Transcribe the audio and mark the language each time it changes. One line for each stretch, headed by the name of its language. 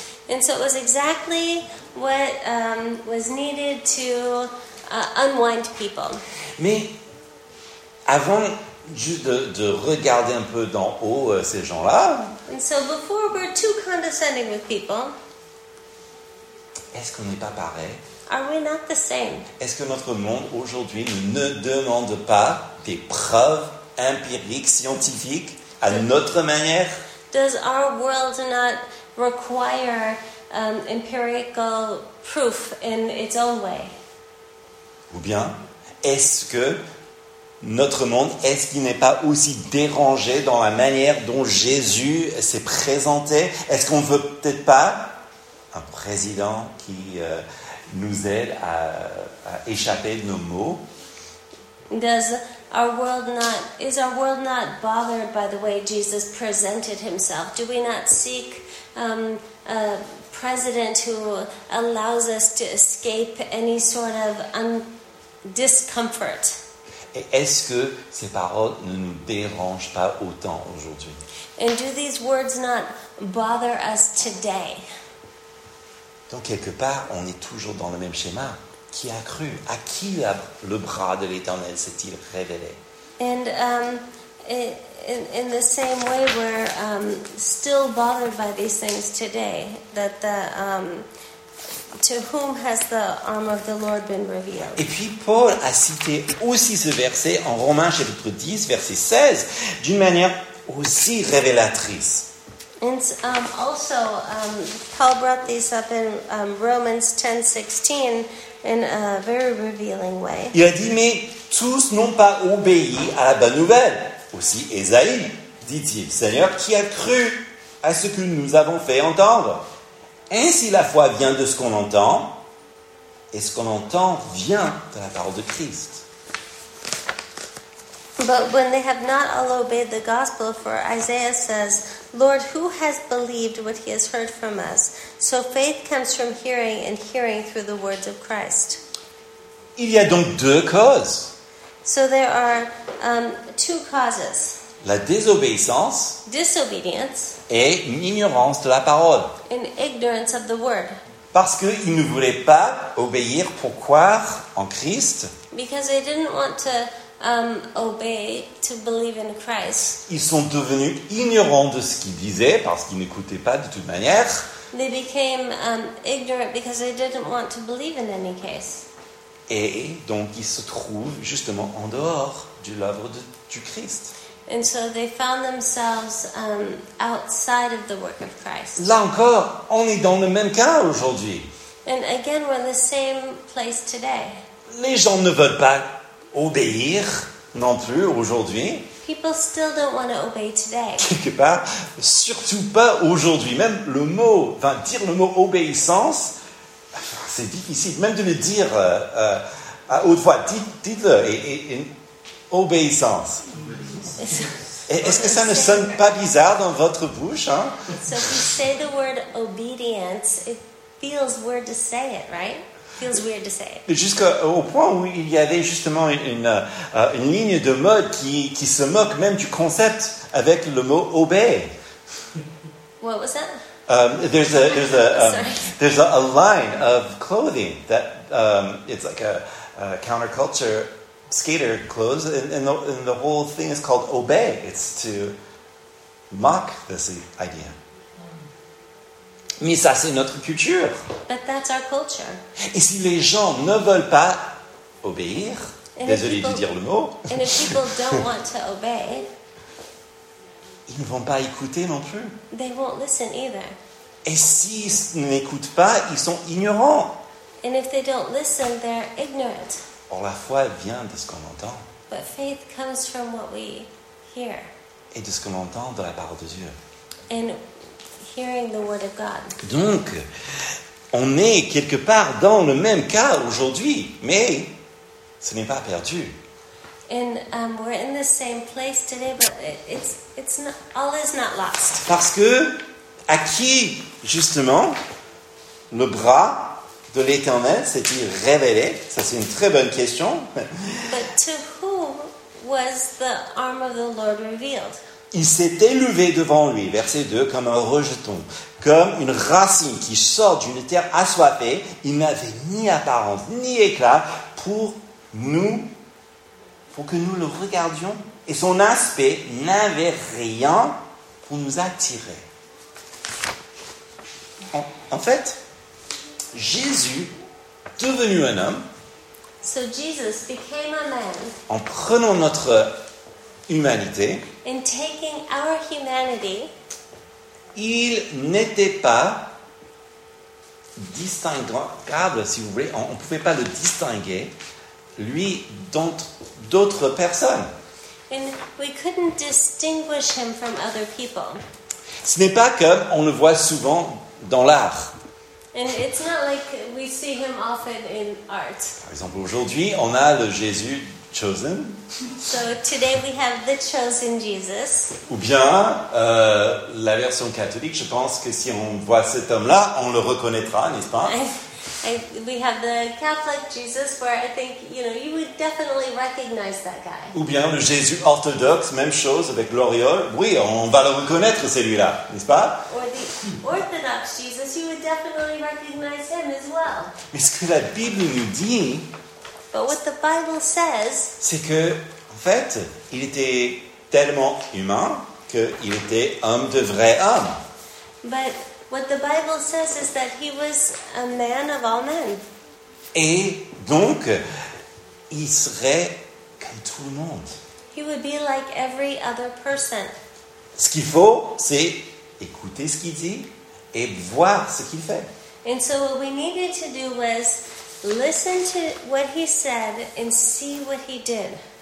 English: And so it was exactly what was needed to unwind people.
French: Mais avant juste de regarder un peu d'en haut ces gens-là.
English: And so before we're too condescending with people.
French: Est-ce qu'on n'est pas pareil?
English: Are we not the same?
French: Est-ce que notre monde aujourd'hui ne demande pas des preuves empiriques, scientifiques, à notre manière?
English: Does our world not require empirical proof in its own way?
French: Ou bien, est-ce que notre monde, est-ce qu'il n'est pas aussi dérangé dans la manière dont Jésus s'est présenté? Est-ce qu'on ne veut peut-être pas un président qui nous aide à échapper de nos maux?
English: Is our world not bothered by the way Jesus presented himself? Do we not seek a president who allows us to escape any sort of discomfort?
French: Et est-ce que ces paroles ne nous dérangent pas autant aujourd'hui?
English: And do these words not bother us today?
French: Donc, quelque part, on est toujours dans le même schéma. Qui a cru? À qui le bras de l'Éternel s'est-il révélé?
English: And in the same way, we're still bothered by these things today. That to whom has the arm of the Lord been revealed?
French: Et puis, Paul a cité aussi ce verset en Romains, chapitre 10, verset 16, d'une manière aussi révélatrice.
English: And also Paul brought this up in Romans 10:16 in a very revealing way.
French: Il a dit, mais tous n'ont pas obéi à la bonne nouvelle. Aussi Ésaïe, dit-il, Seigneur, qui a cru à ce que nous avons fait entendre. Ainsi la foi vient de ce qu'on entend, et ce qu'on entend vient de la parole de Christ.
English: But when they have not all obeyed the gospel, for Isaiah says, Lord, who has believed what he has heard from us? So faith comes from hearing, and hearing through the words of Christ.
French: Il y a donc deux causes.
English: So there are two causes.
French: La désobéissance.
English: Disobedience.
French: Et une ignorance de la parole.
English: An ignorance of the word.
French: Parce qu'ils ne voulaient pas obéir pour croire en Christ.
English: Because they didn't want to obey to believe in Christ.
French: Ils sont devenus ignorants de ce qu'il disait parce qu'ils n'écoutaient pas de toute manière.
English: They became ignorant because they didn't want to believe in any case.
French: Et donc ils se trouvent justement en dehors de l'œuvre du Christ.
English: And so they found themselves outside of the work of Christ.
French: Là encore, on est dans le même cas aujourd'hui.
English: And again, we're in the same place today.
French: Les gens ne veulent pas obéir non plus aujourd'hui.
English: People still don't want to obey today.
French: Quelque part, surtout pas aujourd'hui. Même le mot, enfin, dire le mot obéissance, c'est difficile. Même de le dire à haute voix, dites-le, et obéissance. Est-ce que ça ne sonne pas bizarre dans votre bouche, hein?
English: So if you say the word obedience, it feels weird to say it, right?
French: Jusqu'au point où il y avait justement une ligne de mode qui se moque même du concept avec le mot obey.
English: What was that? There's a line of clothing that it's like a counterculture skater clothes, and the whole thing is called obey. It's to mock this idea.
French: Mais ça, c'est notre culture.
English: But that's our culture.
French: Et si les gens ne veulent pas obéir, désolé de dire le mot,
English: and if people don't want to obey,
French: ils ne vont pas écouter non plus.
English: They won't listen either.
French: Et s'ils n'écoutent pas, ils sont ignorants.
English: And if they don't listen, they're ignorant.
French: Or la foi vient de ce qu'on entend.
English: But faith comes from what we hear.
French: Et de ce qu'on entend de la parole de Dieu.
English: And hearing the word of God.
French: Donc, on est quelque part dans le même cas aujourd'hui, mais ce n'est pas perdu.
English: And we're in the same place today, but it's not, all is not lost.
French: Parce que à qui justement le bras de l'Éternel s'est-il révélé? Ça, c'est une très bonne question.
English: But to whom was the arm of the Lord revealed?
French: Il s'est élevé devant lui, verset 2, comme un rejeton, comme une racine qui sort d'une terre assoiffée. Il n'avait ni apparence, ni éclat pour que nous le regardions. Et son aspect n'avait rien pour nous attirer. En fait, Jésus, devenu un homme,
English: so Jesus became a man.
French: En prenant notre humanité,
English: in taking our humanity,
French: il n'était pas distinguable, si vous voulez, on ne pouvait pas le distinguer, lui, d'autres personnes.
English: And we couldn't distinguish him from other people.
French: Ce n'est pas comme on le voit souvent dans l'art.
English: And it's not like we see him often in art.
French: Par exemple, aujourd'hui, on a le Jésus Chosen.
English: So today we have the chosen Jesus.
French: Ou bien la version catholique, je pense que si on voit cet homme-là, on le reconnaîtra, n'est-ce pas?
English: We have the Catholic Jesus, where I think you know you would definitely recognize that guy.
French: Ou bien le Jésus orthodoxe, même chose avec l'auréole. Oui, on va le reconnaître celui-là, n'est-ce pas?
English: Or the Orthodox Jesus, you would definitely recognize him as well.
French: Mais ce que la Bible nous dit.
English: But what the Bible says,
French: c'est que, en fait, il était tellement humain qu'il était homme de vrai homme.
English: But what the Bible says is that he was a man of all men.
French: Et donc, il serait comme tout le monde.
English: He would be like every other person.
French: Ce qu'il faut, c'est écouter ce qu'il dit et voir ce qu'il fait.
English: And so what we needed to do was listen to what he said and see what he did.